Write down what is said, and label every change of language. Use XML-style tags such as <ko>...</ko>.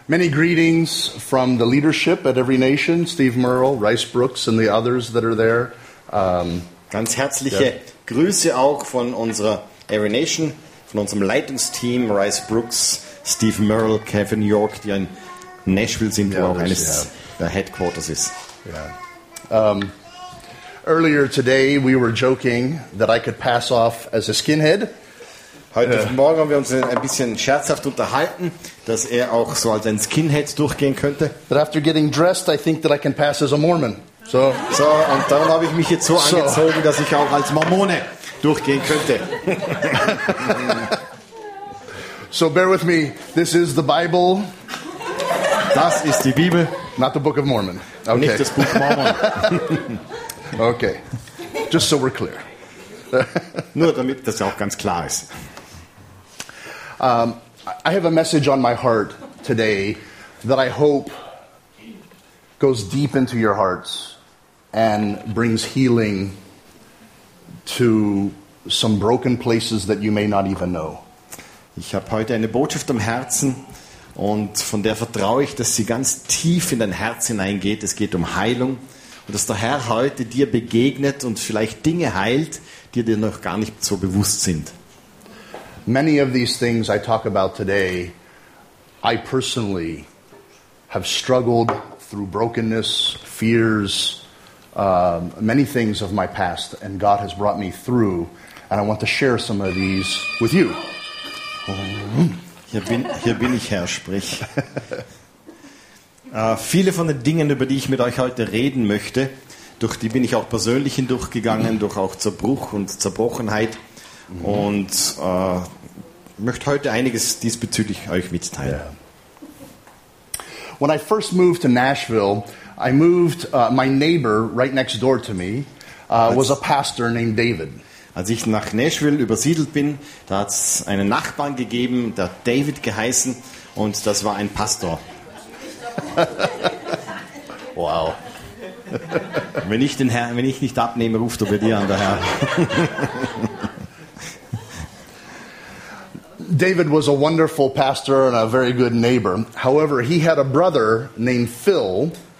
<en>Many greetings from the leadership at Every Nation, Steve Merle, Rice Brooks and the others that are there.</en> <de>Ganz herzliche Grüße auch von unserer Every Nation, von unserem Leitungsteam, Rice Brooks, Steve Merle, Kevin York, die in Nashville sind, wo auch eines der Headquarters ist.</de> <en>Earlier today we were joking that I could pass off as a skinhead.</en> <de>Heute Morgen haben wir uns ein bisschen scherzhaft unterhalten, dass er auch so als ein Skinhead durchgehen könnte.</de> <en>But after getting dressed, I think that I can pass as a Mormon.</en> <de>So und dann habe ich mich jetzt so angezogen, dass ich auch als Mormone durchgehen könnte.</de> <en>So bear with me. This is the Bible.</en> <de>Das ist die Bibel.</de> <en>Not the Book of Mormon.</en> <de>Okay. Nicht das Buch Mormon.</de> <en>Okay. Just so we're clear.</en> <de>Nur damit das auch ganz klar ist.</de> <en>I have a message on my heart today that I hope goes deep into your hearts and brings healing to some broken places that you may not even know.</en> <de>Ich habe heute eine Botschaft am Herzen und von der vertraue ich, dass sie ganz tief in dein Herz hineingeht. Es geht um Heilung und dass der Herr heute dir begegnet und vielleicht Dinge heilt, die dir noch gar nicht so bewusst sind.</de> <en>Many of these things I talk about today, I personally have struggled through brokenness, fears, many things of my past, and God has brought me through, and I want to share some of these with you.</en> <de>Hier bin ich, Herr, sprich. Viele von den Dingen, über die ich mit euch heute reden möchte, durch die bin ich auch persönlich hindurchgegangen, durch auch Zerbruch und Zerbrochenheit, und möchte heute einiges diesbezüglich euch mitteilen.</de> <en>When I first moved to Nashville, I moved my neighbor right next door to me was a pastor named David.</en> <de>Als ich nach Nashville übersiedelt bin, da hat's einen Nachbarn gegeben, der David geheißen, und das war ein Pastor. Wow. Wenn ich nicht abnehme, ruft er bei dir an, der Herr.</de> <en>David was a wonderful pastor and a very good neighbor. However, he had a brother named Phil.</en>